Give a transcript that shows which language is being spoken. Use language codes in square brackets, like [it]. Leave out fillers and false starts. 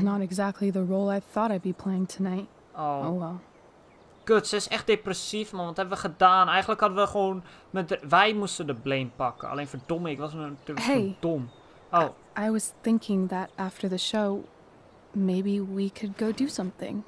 [en] Not exactly the role I thought I'd be playing tonight. Oh well. [nl] Kut, ze is echt depressief, man. Wat hebben we gedaan? Eigenlijk hadden we gewoon... wij moesten de blame pakken. Alleen verdomme, ik was natuurlijk dom. Oh. [en] I was thinking that after the show... Maybe we could go do something.